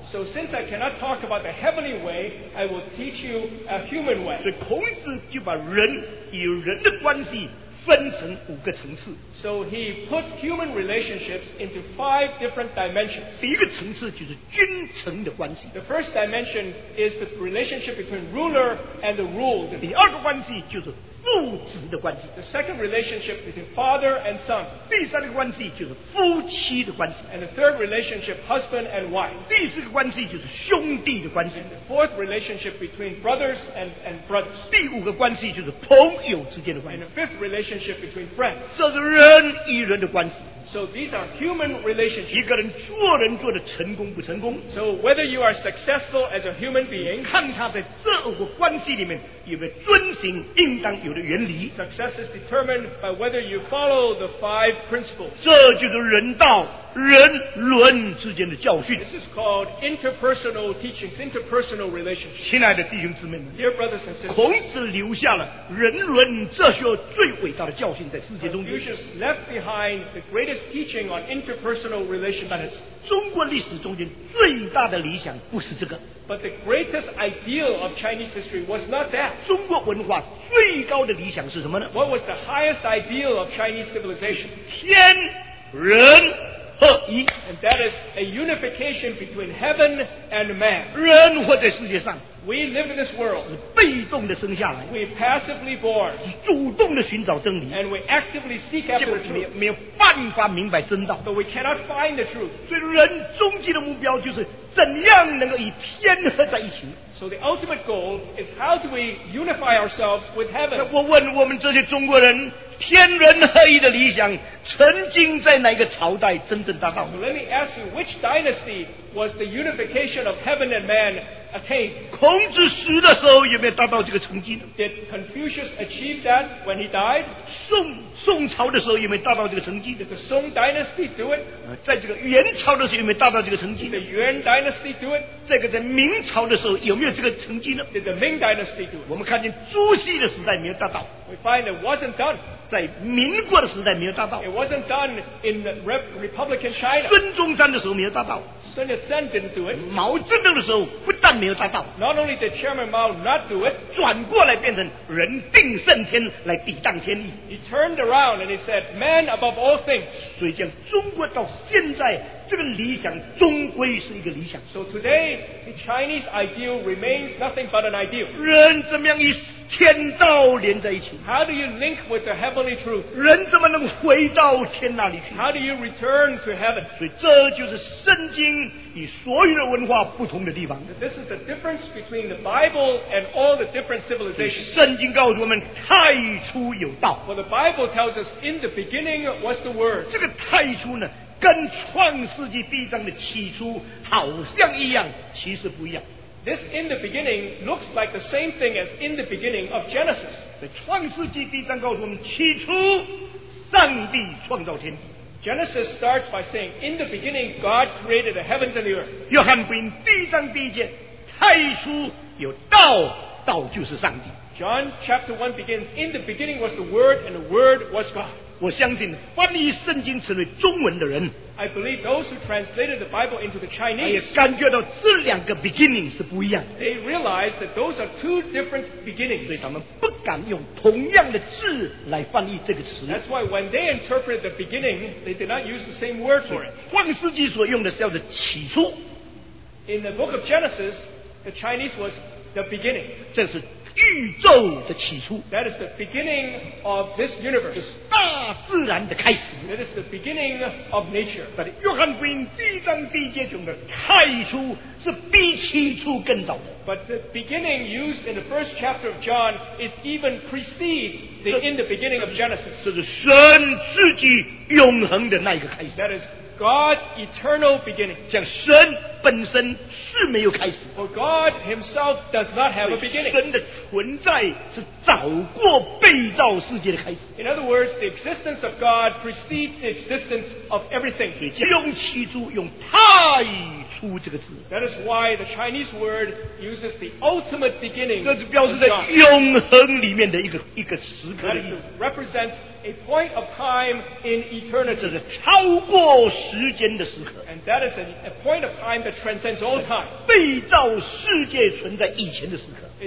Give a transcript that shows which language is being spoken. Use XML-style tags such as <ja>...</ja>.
<en>So since I cannot talk about the heavenly way, I will teach you a human way.</en> <zh>所以孔子就把人与人的关系分成五个层次。</zh> <en>So he put human relationships into five different dimensions.</en> <zh>第一个层次就是君臣的关系。</zh> <en>The first dimension is the relationship between ruler and the ruled.</en> <zh>第二个关系就是父子的关系。</zh> <en>The second relationship between father and son.</en> <zh>第三个关系就是夫妻的关系。</zh> <en>And the third relationship husband and wife.</en> <zh>第四个关系就是兄弟的关系。</zh> <en>And the fourth relationship between brothers and brothers.</en> <zh>第五个关系就是朋友之间的关系。</zh> <en>And the fifth relationship between friends.</en> <zh>这是人与人的关系。</zh> <en>So these are human relationships.</en> <zh>一个人做人做得成功不成功。</zh> <en>So whether you are successful as a human being.</en> <zh>看他在这个关系里面有没有遵循应当有的原理。</zh> <en>Success is determined by whether you follow the five principles.</en> <zh>这就是人道人伦之间的教训。</zh> <en>This is called interpersonal teachings, interpersonal relationships.</en> <zh>亲爱的弟兄姊妹们。</zh> <en>Dear brothers and sisters.</en> <zh>孔子留下了人伦哲学最伟大的教训在世界中间。</zh> <en>Confucius left behind the greatest teaching on interpersonal relationships.</en> <zh>中国历史中间最大的理想不是这个。</zh> <en>But the greatest ideal of Chinese history was not that.</en> <zh>中国文化最高的理想是什么呢</zh> <en>？What was the highest ideal of Chinese civilization?</en> <zh>天人合一。</zh> <en>And that is a unification between heaven and man.</en> <zh>人活在世界上。</zh> <en>We live in this world.</en> <zh>是被动的生下来。</zh> <en>We passively born.</en> <zh>是主动的寻找真理。</zh> <en>And we actively seek after the truth.</en> <zh>没有办法明白真道。</zh> <en>But we cannot find the truth.</en> <zh>所以人终极的目标就是怎样能够与天合在一起。</zh> <en>So the ultimate goal is how do we unify ourselves with heaven?</en> <zh>我问我们这些中国人，天人合一的理想曾经在哪个朝代真正达到</zh> <en>？So let me ask you, which dynasty was the unification of heaven and man attained?</en> <zh>孔子死的时候有没有达到这个成绩呢</zh> <en>？Did Confucius achieve that when he died?</en> <zh>宋朝的时候有没有达到这个成绩</zh> <en>？Did the Song dynasty do it?</en> <zh>在这个元朝的时候有没有达到这个成绩</zh> <en>？Did the Yuan dynasty do it?</en> <zh>这个在明朝的时候有没有这个成绩呢</zh> <en>？Did the Ming dynasty do it?</en> <zh>我们看见朱熹的时代没有达到。</zh> <en>We find it wasn't done.</en> <zh>在民国的时代没有达到。</zh> <en>It wasn't done in the Republican China.</en> <zh>孙中山的时候没有达到。</zh> <en>Sun Yat-sen didn't do it.</en> <zh>毛泽东的时候不但没有达到。</zh> <en>Not only did Chairman Mao not do it.</en> <zh>转过来变成人定胜天来抵挡天意。</zh> <en>He turned around and he said, man above all things.</en> <zh>所以讲中国到现在这个理想终归是一个理想。</zh> <en>So today, the Chinese ideal remains nothing but an ideal.</en> <zh>人怎么样一天道连在一起。</zh> <en>How do you link with the heavenly truth?</en> <zh>人怎么能回到天那里去？</zh> <en>How do you return to heaven?</en> <zh>所以这就是圣经与所有的文化不同的地方。</zh> <en>This is the difference between the Bible and all the different civilizations.</en> <zh>圣经告诉我们，太初有道。</zh> <en>Well, the Bible tells us in the beginning was the word.</en> <zh>这个太初呢？跟创世纪第一章的起初好像一样，其实不一样。</zh> <en>This in the beginning looks like the same thing as in the beginning of Genesis.</en> <zh>创世纪第一章告诉我们，起初上帝创造天地。</zh> <en>Genesis starts by saying, in the beginning, God created the heavens and the earth.</en> <zh>约翰福音第一章第一节，太初有道，道就是上帝。</zh> <en>John chapter 1 begins, in the beginning was the Word, and the Word was God.</en> <zh>我相信翻译圣经成为中文的人，</zh> <en>I believe those who translated the Bible into the Chinese,</en> <zh>也感觉到这两个 beginning 是不一样。</zh> <en>They realize that those are two different beginnings.</en> <zh>所以他们不敢用同样的字来翻译这个词。</zh> <en>That's why when they interpreted the beginning, they did not use the same word for it.</en> <zh>创世纪所用的叫做起初。</zh> <en>In the book of Genesis, the Chinese was the beginning.</en> <zh>这是宇宙的起初。</zh> <en>That is the beginning of this universe.</en> <zh>大自然的开始。</zh> <en>That is the beginning of nature.</en> <zh>在约翰福音第一章第一节中的太初是比起初更早的。</zh> <en>But the beginning used in the first chapter of John is even precedes the in the beginning of Genesis.</en> <zh>这是神自己永恒的那一个开始。</zh> <en>That is God's eternal beginning.</en> <zh>像神本身是没有开始。</zh> <en>For God himself does not have a beginning.</en> <zh>神的存在是早过被造世界的开始。</zh> <en>In other words, the existence of God precedes the existence of everything.</en> <zh>所以用起初，用太初这个字。</zh> <en>That is why the Chinese word uses the ultimate beginning.</en> <zh>这就表示在永恒里面的一个时刻。</zh> <en>That is to represent a point of time in eternity.</en> <zh>这是超过时间的时刻。</zh> <en>And that is a point of time that transcends all time.</en> <zh>被造世界存在以前的时刻。</zh>